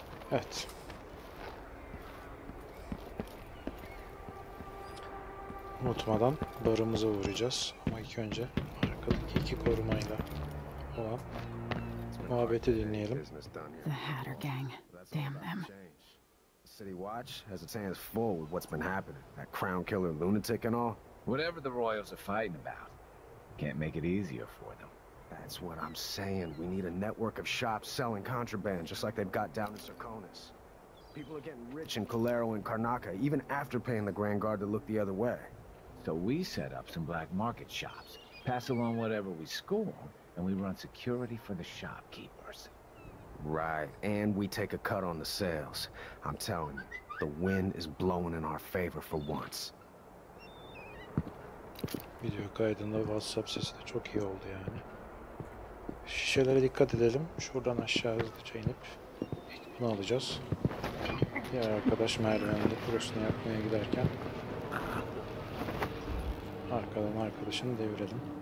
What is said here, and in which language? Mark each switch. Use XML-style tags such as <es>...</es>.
<tr>Evet. Unutmadan barımıza uğrayacağız. Ama ilk önce arkadaki iki korumayla olan muhabbeti dinleyelim.</tr> <en>The Hatter Gang. Damn them. The City Watch has its hands full with what's been happening. That Crown Killer lunatic and all. Whatever the Royals are fighting about, can't make it easier for them. That's what I'm saying. We need a network of shops selling contraband, just like they've got down in Sirkonis. People are getting rich in Calero and Karnaca, even after paying the Grand Guard to look the other way. So we set up some black market shops, pass along whatever we score. And we run security for the shopkeepers. Right, and we take a cut on the sales. I'm telling you, the wind is blowing in our favor for once.</en> <tr>Video kaydında WhatsApp sesi de çok iyi oldu yani. Şişelere dikkat edelim. Şuradan aşağı hızlıca inip bunu alacağız. Diğer arkadaş merdivende kurusunu yapmaya giderken arkadan arkadaşını devirelim.</tr>